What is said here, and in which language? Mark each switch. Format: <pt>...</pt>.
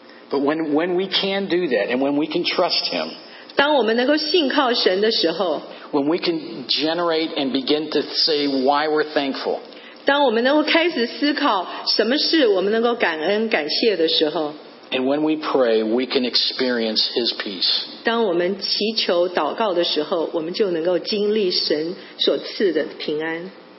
<en>But when we can do that, and when we can trust Him,</en> <zh>当我们能够信靠神的时候，</zh> <en>when we can generate and begin to say why we're thankful,</en> <zh>当我们能够开始思考什么事我们能够感恩感谢的时候。</zh> <en>And when we pray, we can experience His peace.</en> <zh>当我们祈求祷告的时候，我们就能够经历神所赐的平安。</zh>